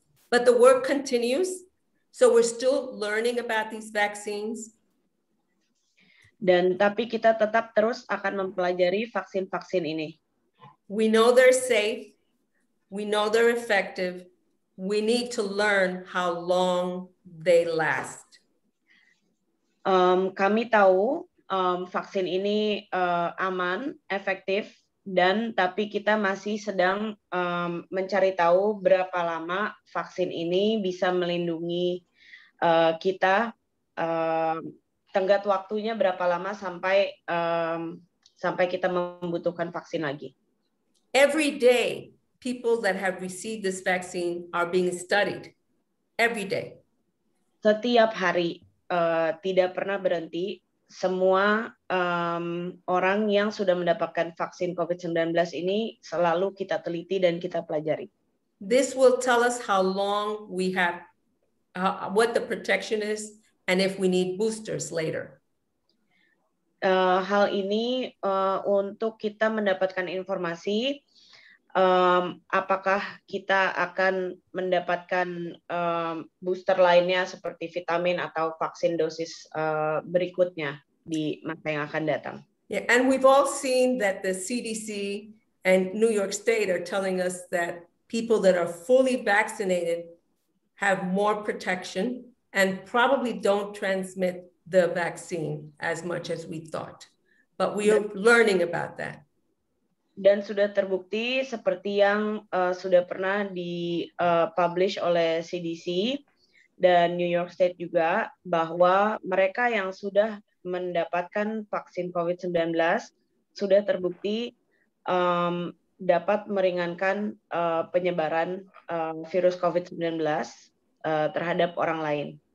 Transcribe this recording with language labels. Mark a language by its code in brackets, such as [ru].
[en] But the work continues, so we're still learning about these vaccines. [id] Dan tapi kita tetap terus akan mempelajari vaksin-vaksin ini. [en] We know they're safe, we know they're effective, we need to learn how long they last. [id] Kami tahu vaksin ini aman, efektif, dan tapi kita masih sedang mencari tahu berapa lama vaksin ini bisa melindungi kita, tenggat waktunya berapa lama sampai kita membutuhkan vaksin lagi. [en] Every day, people that have received this vaccine are being studied. Every day. [id] Setiap hari, tidak pernah berhenti. Semua orang yang sudah mendapatkan vaksin COVID-19 ini selalu kita teliti dan kita pelajari. [en] This will tell us how long we have, what the protection is, and if we need boosters later. [id] Hal ini untuk kita mendapatkan informasi apakah kita akan mendapatkan booster lainnya seperti vitamin atau vaksin dosis berikutnya. di masa yang akan datang. [en] Yeah, and we've all seen that the CDC and New York State are telling us that people that are fully vaccinated have more protection and probably don't transmit the vaccine as much as we thought. But we are learning about that. [id] Dan sudah terbukti seperti yang sudah pernah di publish oleh CDC dan New York State juga, bahwa mereka yang sudah mendapatkan vaksin COVID-19 sudah terbukti dapat meringankan penyebaran virus COVID-19 terhadap orang lain.